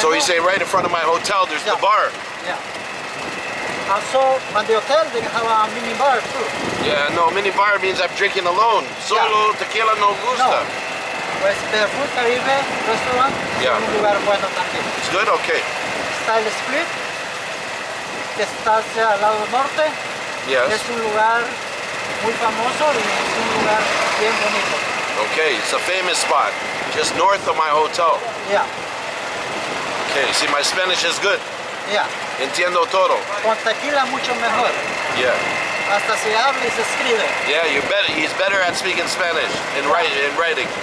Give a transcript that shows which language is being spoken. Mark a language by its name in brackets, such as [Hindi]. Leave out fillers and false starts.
[English] So you say right in front of my hotel, there's the bar. Yeah. Also, at the hotel, they have a mini bar too. Yeah, no, mini bar means I'm drinking alone. [Spanish] Solo, tequila no gusta. [English] No. [Spanish] Pues Beer Food Caribe Restaurant es un lugar bueno también. [English] It's good? Okay. [Spanish] Style Split, que está hacia el lado norte. [English] Yes. [Spanish] Es un lugar muy famoso y es un lugar bien bonito. [English] Okay, it's a famous spot, just north of my hotel. Yeah. Okay, see, my Spanish is good. Yeah. [Spanish] Entiendo todo. Con tequila mucho mejor. [English] Yeah. [Spanish] Hasta se habla y se escribe. [English] Yeah, you bet. He's better at speaking Spanish in writing.